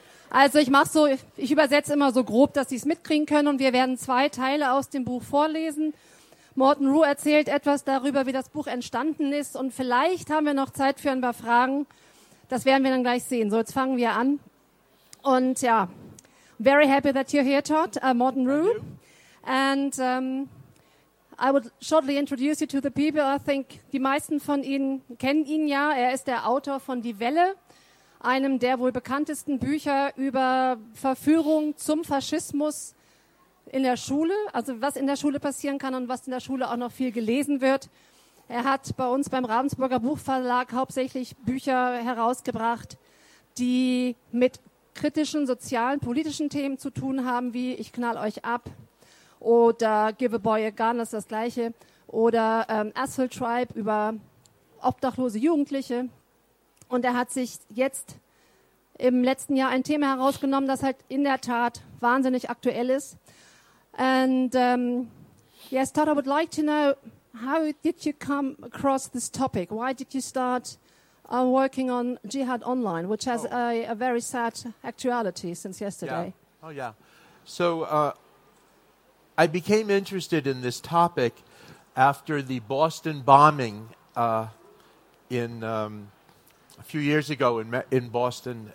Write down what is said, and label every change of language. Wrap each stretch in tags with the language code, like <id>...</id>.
<de>Also ich übersetze immer so grob, dass Sie es mitkriegen können. Und wir werden zwei Teile aus dem Buch vorlesen. Morten Rue erzählt etwas darüber, wie das Buch entstanden ist. Und vielleicht haben wir noch Zeit für ein paar Fragen. Das werden wir dann gleich sehen. So, jetzt fangen wir an. Und ja,</de> <en>very happy that you're here, Todd, Morten Rue. And I would shortly introduce you to the people. I think</en> <de>die meisten von Ihnen kennen ihn ja. Er ist der Autor von Die Welle, einem der wohl bekanntesten Bücher über Verführung zum Faschismus in der Schule. Also was in der Schule passieren kann und was in der Schule auch noch viel gelesen wird. Er hat bei uns beim Ravensburger Buchverlag hauptsächlich Bücher herausgebracht, die mit kritischen, sozialen, politischen Themen zu tun haben, wie Ich knall euch ab oder Give a Boy a Gun, das ist das Gleiche, oder Asshole Tribe über obdachlose Jugendliche. Und er hat sich jetzt im letzten Jahr ein Thema herausgenommen, das halt in der Tat wahnsinnig aktuell ist.</de> <en>And yes, Todd, I would like to know, how did you come across this topic? Why did you start working on Jihad Online, which has a very sad actuality since yesterday? Yeah. Oh, yeah. So I became interested in this topic after the Boston bombing a few years ago in Boston.</en>